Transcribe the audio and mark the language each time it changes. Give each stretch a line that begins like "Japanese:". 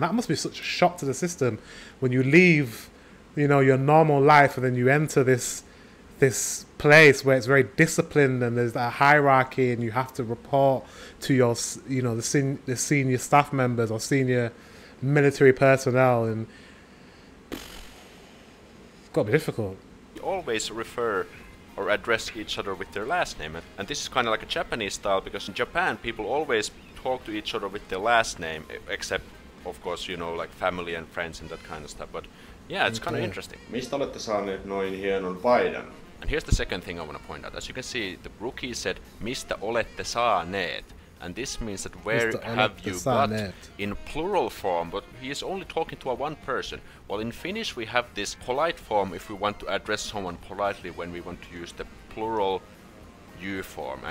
English: That must be such a shock to the system when you leave, you know, your normal life, and then you enter this place where it's very disciplined and there's that hierarchy, and you have to report to your, you know, the senior staff members or senior military personnel, and it's got to be difficult. You always refer or address each other with their last name, and this is kind of like a Japanese style, because in Japan people always talk to each other with their last name, except of course, you know, like family and friends and that kind of stuff. But yeah, it's kind of interesting.
Finnish: Mistä olette saaneet noin hienon paidan?
English: And here's the second thing I want to point out. As you can see, the rookie said,
Finnish: mistä olette saaneet?
English: And this means that where have you got in plural form, but he is only talking to a one person. Well, in Finnish, we have this polite form if we want to address someone politely when we want to use the plural you form.